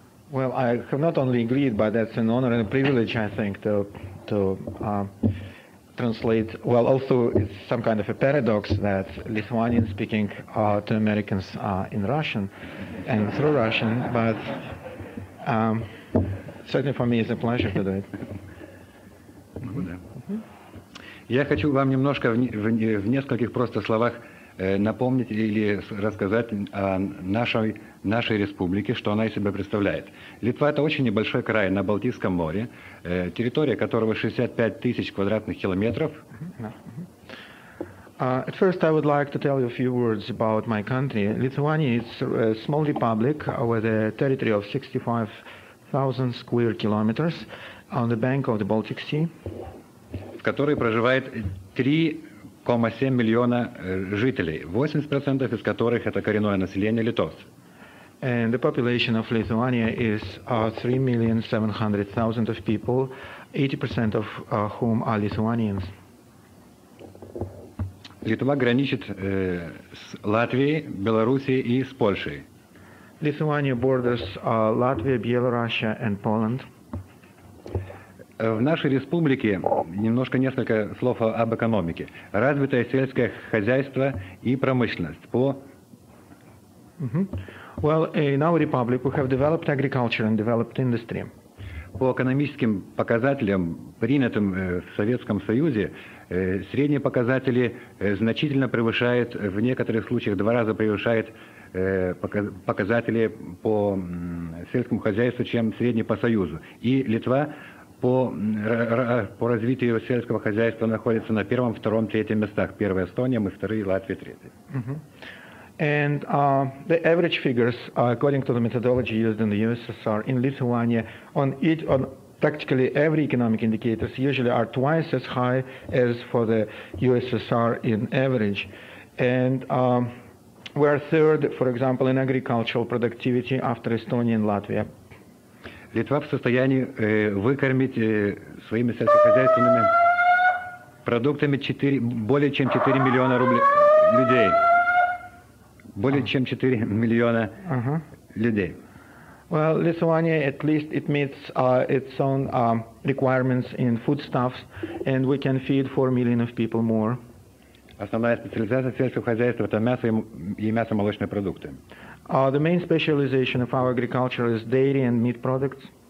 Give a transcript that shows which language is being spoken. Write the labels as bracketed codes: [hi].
[en] Well, I have not only agreed, but that's an honor and a privilege, I think, to translate. Well, also, it's some kind of a paradox that Lithuanians speaking to Americans in Russian and through Russian, but certainly for me it's a pleasure to do it. [ru] Я хочу вам немножко в нескольких просто словах напомнить или рассказать о нашей республике, что она из себя представляет. Литва – это очень небольшой край на Балтийском море, территория которого 65 тысяч квадратных километров. [en] At first, I would like to tell you a few words about my country. Lithuania – it's a small republic with a territory of 65,000 square kilometers on the bank of the Baltic Sea. [ru] В которой проживает 3,7 миллиона жителей, 80% из которых это коренное население литовцев. [en] And the population of Lithuania is 3,700,000 of people, 80% of whom are Lithuanians. [ru] Литва граничит с Латвией, Белоруссией и с Польшей. [en] Lithuania borders Latvia, Belarus and Poland. [ru] В нашей республике несколько слов об экономике. Развитое сельское хозяйство и промышленность по... [en] Well, in our republic we have developed agriculture and developed industry. [ru] По экономическим показателям, принятым в Советском Союзе, средние показатели значительно превышают, в некоторых случаях два раза превышают показатели по сельскому хозяйству, чем средние по Союзу. И Литва по развитию сельского хозяйства находится на первом, втором, третьем местах. Первая Эстония, мы вторые, Латвия третья. [en] And the average figures, according to the methodology used in the USSR, in Lithuania, on each on practically every economic indicators usually are twice as high as for the USSR in average. And we're third, for example, in agricultural productivity after Estonia and Latvia. [ru] Литва в состоянии выкормить своими сельскохозяйственными продуктами более чем 4 миллиона рублей людей. Более чем 4 миллиона людей. [en] Well, Lithuania at least it meets its own requirements in foodstuffs, and we can feed 4 million of people more. [ru] Основная специализация сельского хозяйства – это мясо и мясо-молочные продукты. [en] The main specialization of our agriculture is dairy and meat products.